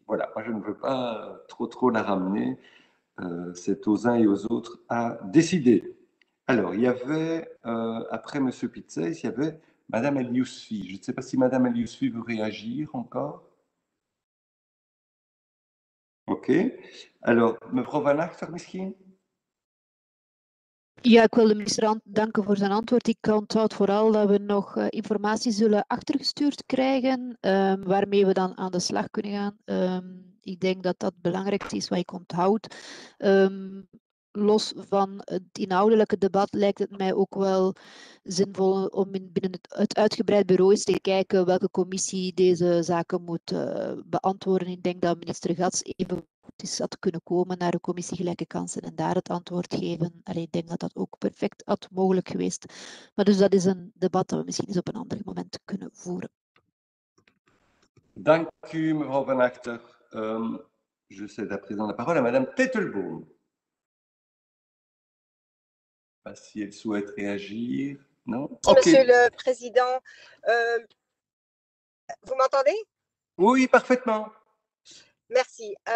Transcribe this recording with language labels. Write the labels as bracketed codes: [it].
[fr] Voilà, moi, je ne veux pas trop la ramener. C'est aux uns et aux autres à décider. Alors, il y avait, après M. Pitzès, il y avait Mme El Youssefi. Je ne sais pas si Mme El Youssefi veut réagir encore. OK. [nl] Alors, mevrouw Van Achter misschien? Ja, ik wil de minister danken voor zijn antwoord. Ik onthoud vooral dat we nog informatie zullen achtergestuurd krijgen, waarmee we dan aan de slag kunnen gaan. Ik denk dat dat het belangrijkste is wat ik onthoud. Los van het inhoudelijke debat lijkt het mij ook wel zinvol om binnen het uitgebreid bureau eens te kijken welke commissie deze zaken moet beantwoorden. Ik denk dat minister Goetz even goed is had kunnen komen naar de commissie Gelijke Kansen en daar het antwoord geven. Allee, ik denk dat dat ook perfect had mogelijk geweest. Maar dus dat is een debat dat we misschien eens op een ander moment kunnen voeren. Dank u, mevrouw Van Achter. [fr] Je cède à présent la parole à madame Tettelboom. Si elle souhaite réagir, non? Okay. Monsieur le Président, vous m'entendez? Oui, parfaitement. Merci.